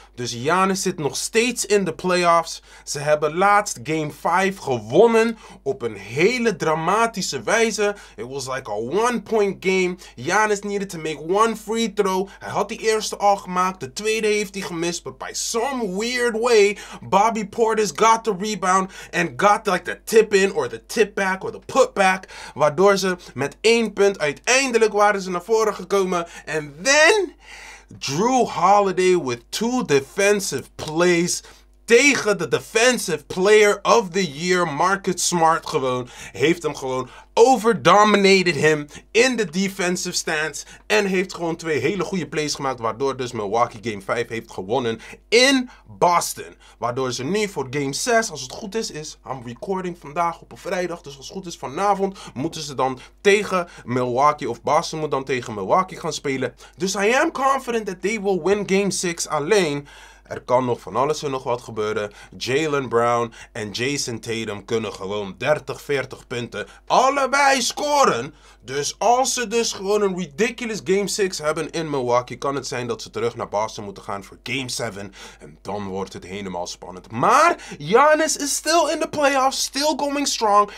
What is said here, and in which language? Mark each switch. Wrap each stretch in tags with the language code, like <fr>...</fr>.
<nl>Dus Giannis zit nog steeds in de playoffs. Ze hebben laatst game 5 gewonnen op een hele dramatische wijze.</nl> <en>It was like a 1-point game. Giannis needed to make one free throw.</en> <nl>Hij had die eerste al gemaakt. De tweede heeft hij gemist.</nl> <en>But by some weird way, Bobby Portis got the rebound. And got like the tip in or the tip back or the put back.</en> <nl>Waardoor ze met 1 punt uiteindelijk waren ze naar voren gekomen.</nl> <en>And then, Drew Holiday with 2 defensive plays.</en> <nl>Tegen de defensive player of the year, Marcus Smart gewoon. Heeft hem gewoon</nl> <en>overdominated him</en> <nl>in de defensive stance. En heeft gewoon 2 hele goede plays gemaakt. Waardoor dus Milwaukee game 5 heeft gewonnen in Boston. Waardoor ze nu voor game 6, als het goed is</nl> <en>I'm recording</en> <nl>vandaag op een vrijdag. Dus als het goed is vanavond moeten ze dan tegen Milwaukee. Of Boston moet dan tegen Milwaukee gaan spelen.</nl> <en>Dus I am confident that they will win game 6</en> <nl>alleen. Er kan nog van alles en nog wat gebeuren. Jaylen Brown en Jason Tatum kunnen gewoon 30, 40 punten allebei scoren. Dus als ze dus gewoon een ridiculous game 6 hebben in Milwaukee, kan het zijn dat ze terug naar Boston moeten gaan voor game 7. En dan wordt het helemaal spannend.</nl> <en>Maar Giannis is still in the playoffs, still going strong.</en>